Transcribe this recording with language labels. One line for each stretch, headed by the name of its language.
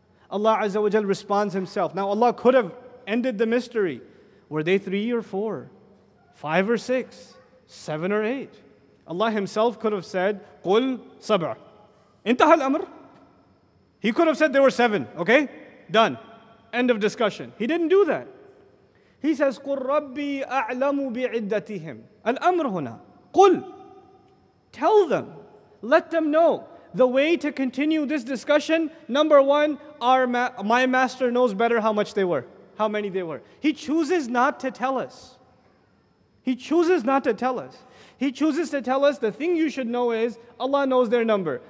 English: Allah Azza wa Jal responds Himself. Now Allah could have ended the mystery. Were they 3 or 4, 5 or 6, 7 or 8? Allah Himself could have said,
Arabic: قُلْ سَبْعَ إِنْتَهَى الْأَمْرِ.
English: He could have said there were 7, okay? Done. End of discussion. He didn't do that. He says,
Arabic: قُلْ رَبِّي أَعْلَمُ بِعِدَّتِهِمْ الْأَمْرُ هُنَا.
English: قُلْ. Tell them. Let them know. The way to continue this discussion, number one, my master knows better how much they were, how many they were. He chooses not to tell us. He chooses not to tell us. He chooses to tell us the thing you should know is Allah knows their number.